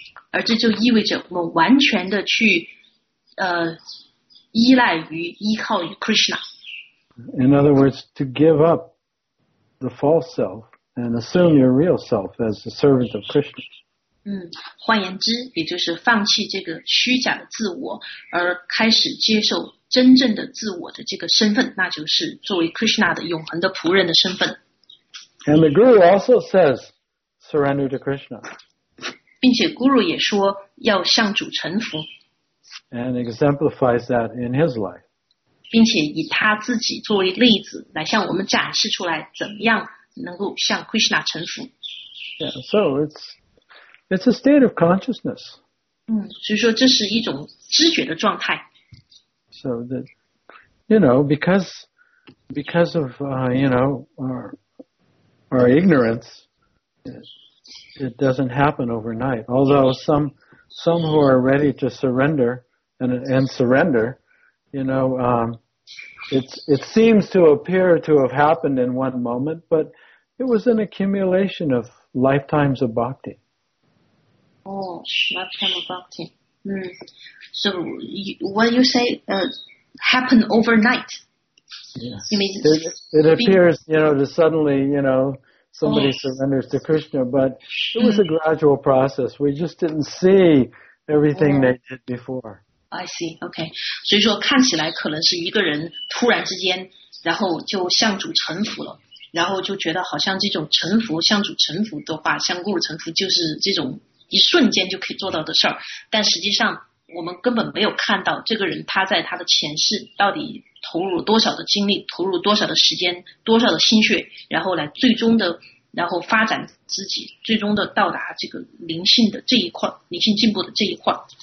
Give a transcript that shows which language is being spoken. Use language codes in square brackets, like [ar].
[zh] 而这就意味着我完全的去。依靠于 Krishna. [en] In other words, to give up the false self and assume your real self as the servant of Krishna. [zh] 换言之，也就是放弃这个虚假的自我，而开始接受真正的自我的这个身份，那就是作为 Krishna 的永恒的仆人的身份。 [en] And the guru also says, surrender to Krishna. [zh] 并且 guru 也说要向主臣服。 [en] And exemplifies that in his life. [zh] 并且以他自己作为例子来向我们展示出来怎么样能够向 Krishna 臣服。 [en] Yeah, so it's a state of consciousness. [zh] 所以说这是一种知觉的状态。 [en] So that, you know, because of, you know, our ignorance, it doesn't happen overnight. Although some who are ready to surrender and surrender, you know, it seems to appear to have happened in one moment, but it was an accumulation of lifetimes of bhakti. Oh, lifetime of bhakti. So when you say happen overnight, yes. You mean it appears, you know, to suddenly, you know, somebody surrenders to Krishna, but it was a gradual process. We just didn't see everything they did before. I see. Okay. [zh] 所以说看起来可能是一个人突然之间，然后就向主臣服了，然后就觉得好像这种臣服，向主臣服的话，向Guru臣服就是这种。一瞬间就可以做到的事儿，但实际上我们根本没有看到这个人他在他的前世到底投入多少的精力，投入多少的时间，多少的心血，然后来最终的，然后发展自己，最终的到达这个灵性的这一块，灵性进步的这一块。